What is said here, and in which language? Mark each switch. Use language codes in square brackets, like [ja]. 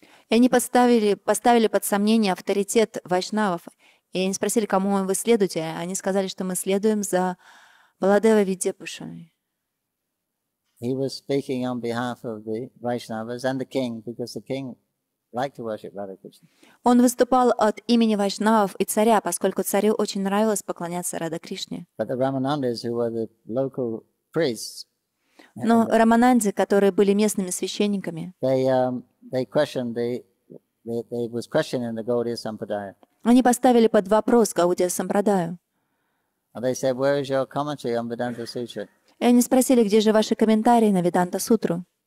[ru] И они поставили под сомнение авторитет вайшнавов. И они спросили, кому вы следуете. Они сказали, что мы следуем за Баладева Видибушами. [en] He was speaking on behalf of the Vaishnavas and the king, because the king liked to worship Radha Krishna. [ru] Он выступал от имени вайшнавов и царя, поскольку царю очень нравилось поклоняться Радха Кришне. [en] But the Ramanandas, who were the local priests, [ru] но Рамананди, которые были местными священниками, [en] they questioned the was questioning the Gaudiya Sampradaya. [ru] Они поставили под вопрос Гаудия Сампрадаю. И они спросили, где же ваши комментарии на Веданта Сутру?